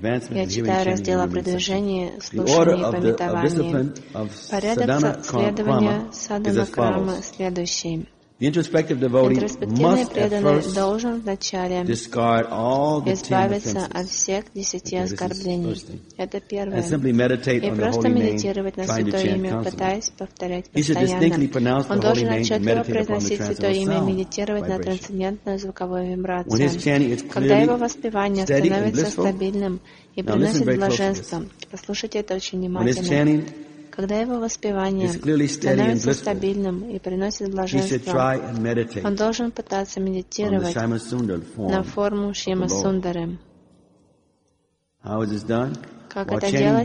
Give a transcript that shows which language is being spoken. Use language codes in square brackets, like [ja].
[ru] Я читаю раздел о продвижении, слушании и памятовании. Порядок следования садхана-крама следующий. [en] Introspective devotee must at first [ru] вначале [en] discard all the [ru] избавиться от всех десяти оскорблений. Это первое. [en] And simply meditate on the holy name, trying to chant constantly. He should distinctly pronounce the holy name, meditate upon the transcendental sound, [ru] медитировать на трансцендентную звуковую вибрацию. [en] When his chanting is clearly steady and blissful, [ru] и приносит блаженство. Послушайте это очень внимательно. Когда его воспевание становится стабильным и приносит блаженство, он должен пытаться медитировать на форму Шрима Сундары. Как это делать?